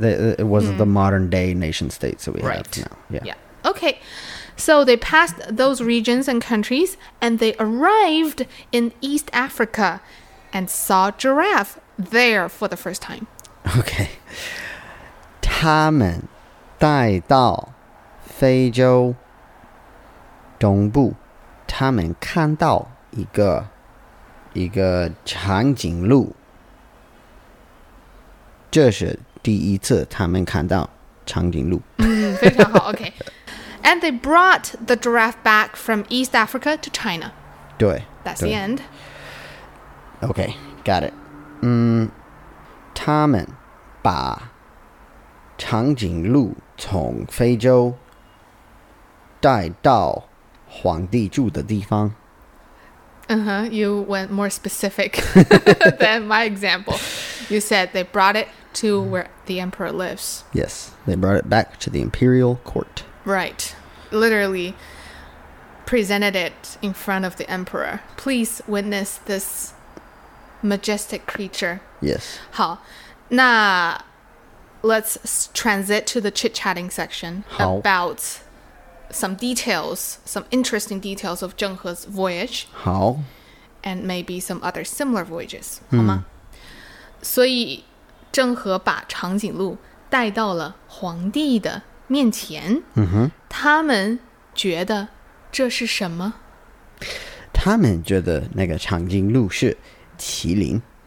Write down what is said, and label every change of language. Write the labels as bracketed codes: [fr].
[en] It was the modern day nation states that we have now. Yeah. Yeah. Okay. So they passed those regions and countries, and they arrived in East Africa and saw giraffe there for the first time. Okay. [zh] 他们带到非洲东部，他们看到一个长颈鹿，这是第一次他们看到长颈鹿。非常好。 OK. [en] And they brought the giraffe back from East Africa to China. [zh] 对。 [en] That's the end. OK. Got it. [zh] 他们把长颈鹿从非洲带到皇帝住的地方。 [en] You went more specific than my example. You said they brought it to where the emperor lives. Yes, they brought it back to the imperial court. Right. Literally presented it in front of the emperor. Please witness this majestic creature. Yes. [zh] 好,那 [en] Let's transit to the chit-chatting section about some details, some interesting details of 郑和's voyage. [zh] 好。 [en] And maybe some other similar voyages, [zh] 好吗？所以郑和把长颈鹿带到了皇帝的面前。嗯哼。他们觉得这是什么？他们觉得那个长颈鹿是麒麟。